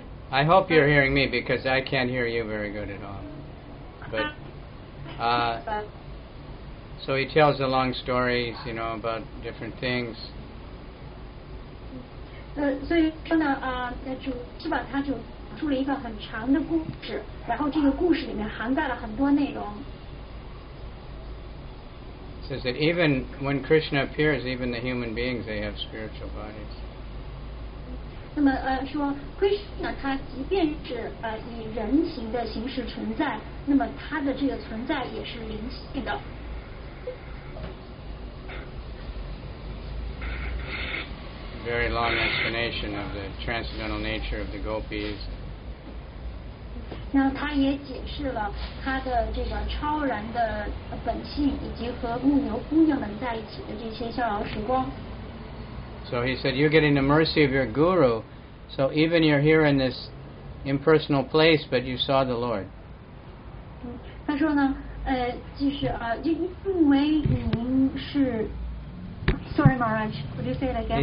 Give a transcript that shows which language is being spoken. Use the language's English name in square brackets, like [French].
[English] I hope you're hearing me because I can't hear you very good at all. But so he tells a long story, you know, about different things. [Chinese] 所以说呢，主希瓦他就出了一个很长的故事，然后这个故事里面涵盖了很多内容。 [English] Says that even when Krishna appears, even the human beings they have spiritual bodies. [Chinese] 那么说 Krishna 他即便是以人形的形式存在，那么他的这个存在也是灵性的。 [English] Very long explanation of the transcendental nature of the gopis. [Chinese] 那他也解释了他的这个超然的本性，以及和牧牛姑娘们在一起的这些逍遥时光。 [English] So he said, you're getting the mercy of your guru, so even you're here in this impersonal place, but you saw the Lord. [Chinese] 他说呢，即使因为您是 ， [English] Sorry, Maharaj, could you say it again?